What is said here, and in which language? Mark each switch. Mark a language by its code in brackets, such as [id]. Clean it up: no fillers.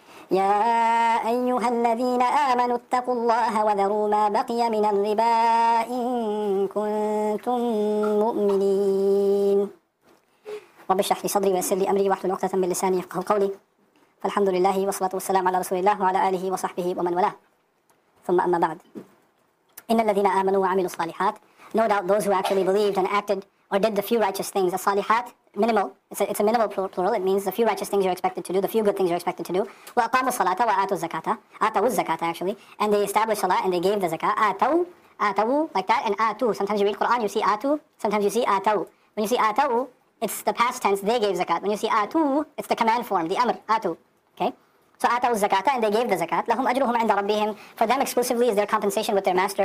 [ar] يا أيها الذين آمنوا اتقوا الله وذروا ما بقي من الربا إن كنتم مؤمنين رب اشرح لي صدري ويسر لي أمري واحلل عقدة من لساني يفقهوا قولي فالحمد لله والصلاة والسلام على رسول الله وعلى آله وصحبه ومن والاه ثم أما بعد إن الذين آمنوا وعملوا الصالحات [en] No doubt those who actually believed and acted or did the few righteous things as [ar] صالحات Minimal. [en] It's a minimal plural. It means the few righteous things you're expected to do, the few good things you're expected to do. [ar] وَأَقَامُوا الصَّلَاةَ وَآتُوا الزَّكَاةَ آتَوُوا الزَّكَاةَ actually. [en] And they established salah and they gave the zakah. آتَوُوا like that. [ar] And آتُوا. [en] Sometimes you read Quran, you see آتُوا. Sometimes you see آتَوُوا. When you see آتَوُوا, it's the past tense. They gave zakat. When you see آتُوا, it's the command form, the amr. [ar] آتُوا. Okay. [en] So [ar] آتَوُوا الزَّكَاةَ [en] and they gave the zakat. [ar] لَهُمْ أَجْرُهُمْ عِنْدَ رَبِّهِمْ [en] For them exclusively is their compensation with their master.